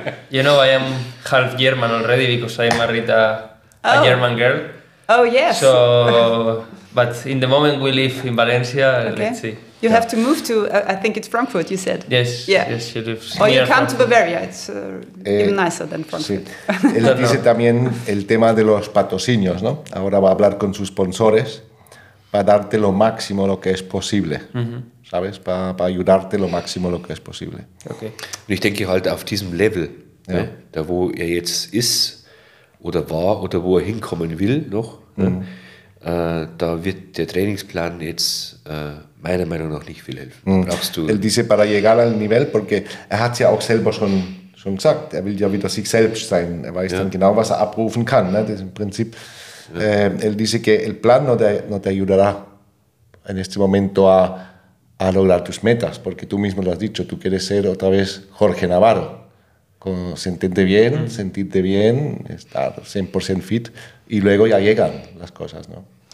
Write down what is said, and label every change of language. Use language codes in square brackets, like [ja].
[en] You know, I am half German already because I married a German girl. Oh, yes. So, but in the moment we live in Valencia, let's see. You have to move to, I think it's Frankfurt, you said. Yes, yes, she lives. Or you come to Bavaria, it's even nicer than Frankfurt. [es] Sí. Él dice también el tema de los patrocinios, ¿no? Ahora va a hablar con sus sponsores para darte lo máximo lo que es posible. Mm-hmm. ¿Sabes? Para ayudarte lo máximo lo que es posible. Okay. [de] Und ich denke halt auf diesem Level, ja. Ne, da wo er jetzt ist oder war oder wo er hinkommen will noch, da wird der Trainingsplan jetzt meiner Meinung nach nicht viel helfen. Brauchst du? Er [es] dice para llegar al nivel, porque [de] er hat es ja auch selber schon gesagt, er will ja wieder sich selbst sein, er weiß dann genau, was er abrufen kann. Ne? Das ist im Prinzip, er [es] dice que el plan no te ayudará en este momento a lograr tus metas, porque tú mismo lo has dicho, tú quieres ser otra vez Jorge Navarro, con sentirte bien, sentirte bien, estar 100% fit, y luego ya llegan las cosas, ¿no?